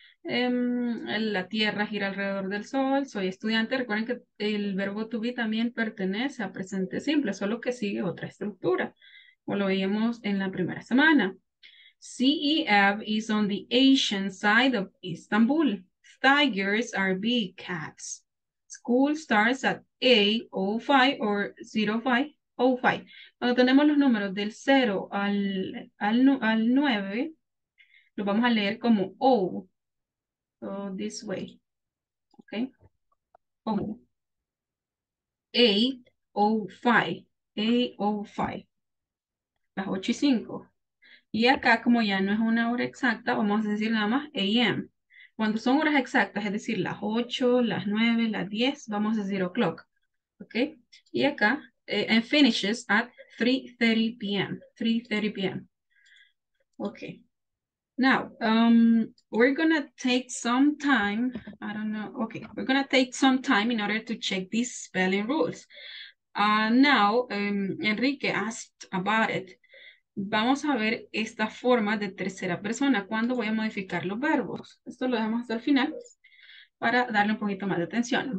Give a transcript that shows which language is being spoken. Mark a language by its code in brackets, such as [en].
[es] La tierra gira alrededor del sol, soy estudiante. Recuerden que el verbo to be también pertenece a presente simple, solo que sigue otra estructura, como lo veíamos en la primera semana. [en] CEF is on the Asian side of Istanbul. Tigers are big cats. School starts at 8:05 or 05:05. [es] Cuando tenemos los números del 0 al 9, los vamos a leer como O. [en] So this way, okay? Oh, 8:05, 8:05, las 8:05. [es] Y acá, como ya no es una hora exacta, vamos a decir nada más a.m. Cuando son horas exactas, es decir, las 8, las 9, las 10, vamos a decir o'clock, okay? Y acá, [en] and finishes at 3:30 p.m., [es] okay? [en] Now, we're going to take some time, we're going to take some time in order to check these spelling rules. Enrique asked about it. [es] Vamos a ver esta forma de tercera persona, cuando voy a modificar los verbos. Esto lo dejamos hasta el final para darle un poquito más de atención.